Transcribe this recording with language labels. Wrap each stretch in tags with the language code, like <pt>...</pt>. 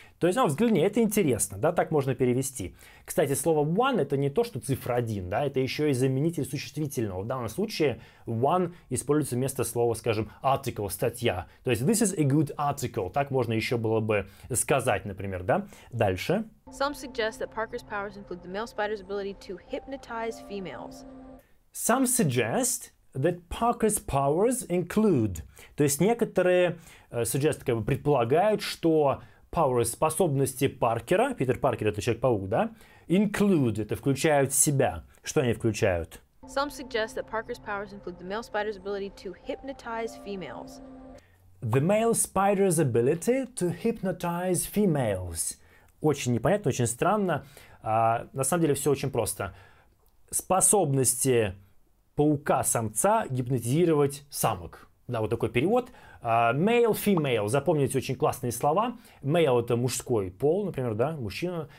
<ru>То есть, ну, взгляни, это интересно. Да, так можно перевести. Кстати, слово one это не то, что цифра один. Да, это еще и заменитель существительного. В данном случае one используется вместо слова, скажем, article, статья. То есть,</ru> <en>this is a good article.</en> <ru>Так можно еще было бы сказать, например, да. Дальше.</ru> <en>Some suggest that Parker's powers include the male spider's ability to hypnotize females. Some suggest that Parker's powers include.</en> <ru>То есть некоторые suggest, как бы, предполагают, что powers, способности Паркера, Питер Паркер это Человек-паук, да, include, это включают в себя. Что они включают?</ru> <en>Some suggest that Parker's powers include the male spider's ability to hypnotize females. The male spider's ability to hypnotize females.</en> <ru>Очень непонятно, очень странно. На самом деле все очень просто. Способности паука-самца гипнотизировать самок. Да, вот такой перевод. Male, female. Запомните очень классные слова. Male – это мужской пол, например, да, мужчина.</ru>